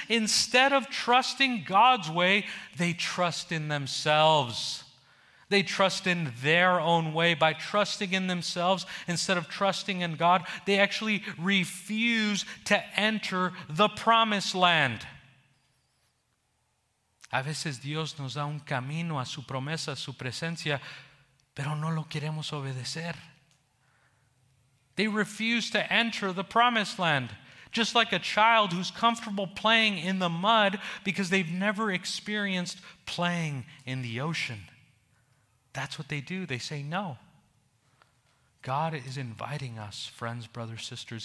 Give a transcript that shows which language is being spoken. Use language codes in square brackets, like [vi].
[en] Instead of trusting God's way, they trust in themselves. They trust in their own way. By trusting in themselves instead of trusting in God, they actually refuse to enter the promised land. [es] A veces Dios nos da un camino a su promesa, a su presencia, pero no lo queremos obedecer. [en] They refuse to enter the promised land. Just like a child who's comfortable playing in the mud because they've never experienced playing in the ocean. That's what they do. They say no. God is inviting us, friends, brothers, sisters.